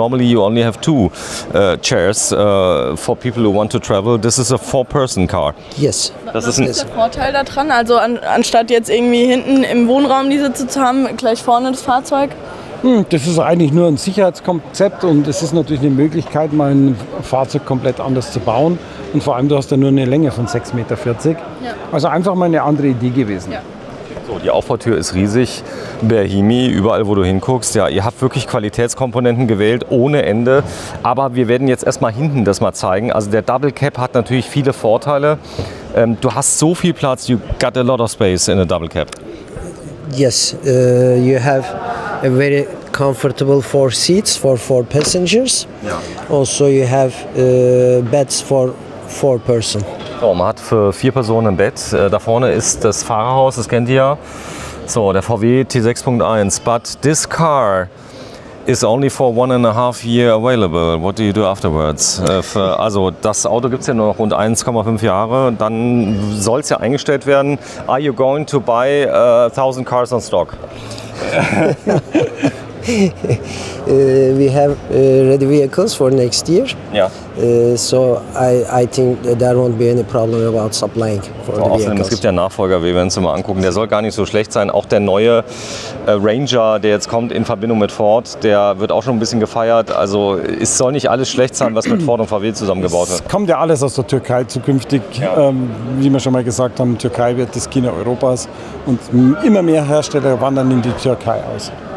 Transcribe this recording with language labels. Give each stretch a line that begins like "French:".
English: Normally you only have two chairs for people who want to travel. This is a four-person car. Yes.
German: Das ist der Vorteil daran. Also anstatt jetzt irgendwie hinten im Wohnraum die Sitze zu haben, gleich vorne das Fahrzeug. Das ist eigentlich nur ein Sicherheitskonzept und es ist natürlich eine Möglichkeit, mal ein Fahrzeug komplett anders zu bauen. Und vor allem, du hast ja nur eine Länge von 6,40 Meter. Ja. Also einfach mal eine andere Idee gewesen. Ja. So, die Auffahrtür ist riesig, Behemi, überall wo du hinguckst. Ja, ihr habt wirklich Qualitätskomponenten gewählt, ohne Ende. Aber wir werden jetzt erstmal hinten das mal zeigen. Also der Double Cab hat natürlich viele Vorteile. Du hast so viel Platz,
English: you got a lot of space in a Double Cab. Yes, you have a very comfortable four seats for four passengers.
German: Ja.
English: Also you have beds for four person.
German: So, man hat für 4 Personen ein Bett. Da vorne ist das Fahrerhaus, das kennt ihr ja. So, der VW T6.1.
English: But this car is only for 1.5 years available. What do you do afterwards?
German: Also, das Auto gibt es ja nur noch rund 1,5 Jahre. Dann soll es ja eingestellt werden.
English: Are you going to buy 1,000 cars on stock? We have ready vehicles for next year. Yeah. So I think that there won't be any problem about supplying for the vehicles.
German: Außerdem, es gibt ja Nachfolger, wir werden es mal angucken. Der soll gar nicht so schlecht sein. Auch der neue Ranger, der jetzt kommt in Verbindung mit Ford, der wird auch schon ein bisschen gefeiert. Also es soll nicht alles schlecht sein, was mit Ford und VW zusammengebaut wird. Es kommt ja alles aus der Türkei zukünftig. Ja. Wie wir schon mal gesagt haben, Türkei wird das China Europas und immer mehr Hersteller wandern in die Türkei aus.